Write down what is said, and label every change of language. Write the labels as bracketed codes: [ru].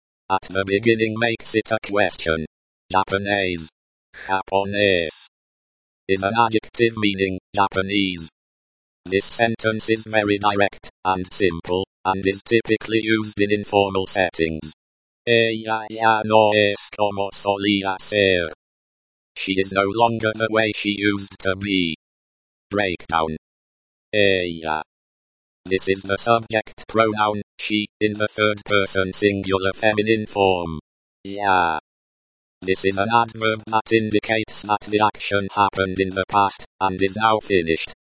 [en] At the beginning makes it a question. Japanese. [es] Japonés. [en] Is an adjective meaning, Japanese. This sentence is very direct, and simple, and is typically used in informal settings. [es] Ella ya no es como solía ser. [en] She is no longer the way she used to be. Breakdown. [es] Ella. [en] This is the subject pronoun, she, in the third person singular feminine form. Yeah. This is an adverb that indicates that the action happened in the past, and is now finished.